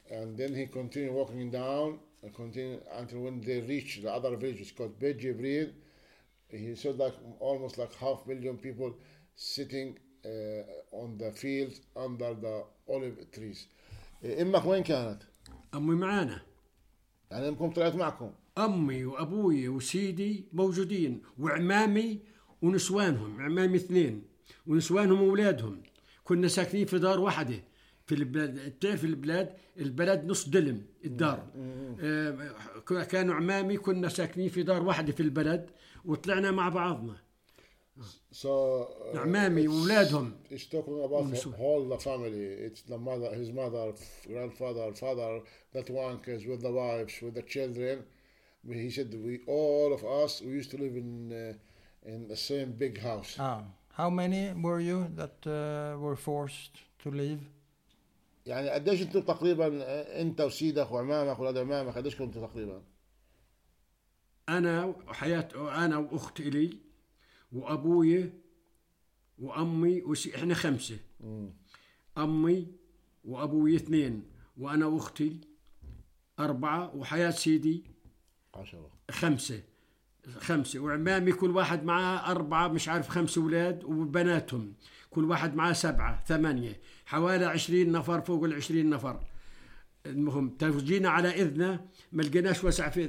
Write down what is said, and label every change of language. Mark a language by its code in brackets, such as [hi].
[en] And then he continued walking down, and continued until when they reached the other village, it's called Beit Jibril. He said like almost like 500,000 people sitting on the field under the olive trees. [ar] أمك وين كانت؟ أمي معانا. يعني أمكم طلعت معكم؟ أمي وأبوي وسيدي موجودين وعمامي ونسوانهم عمامي اثنين ونسوانهم وولادهم كنا ساكنين في دار واحدة في البلاد تعرف البلاد نص دلم الدار كانوا عمامي كنا ساكنين في دار واحدة في البلد وطلعنا مع بعضنا. عمامي وولادهم. [en] It's talking about all the family. It's the mother, his mother, grandfather, father, that one case with the wives, with the children. he said we all of us we used to live in the same big house. Ah, how many were you that were forced to leave? [ar] يعني قديش انتوا تقريبا انت وسيدك وعمامك ولاد عمامك قديش كنتوا تقريبا انا وحياتي انا واختي لي وابوي وامي احنا خمسه امي وابوي اثنين وانا واختي اربعه وحياة سيدي خمسه وعمامي كل واحد معاه اربعه مش عارف خمسه اولاد وبناتهم كل واحد معاه سبعه ثمانيه حوالي 20 نفر فوق ال 20 نفر المهم تفجينا على اذنه ما لقيناش وسع في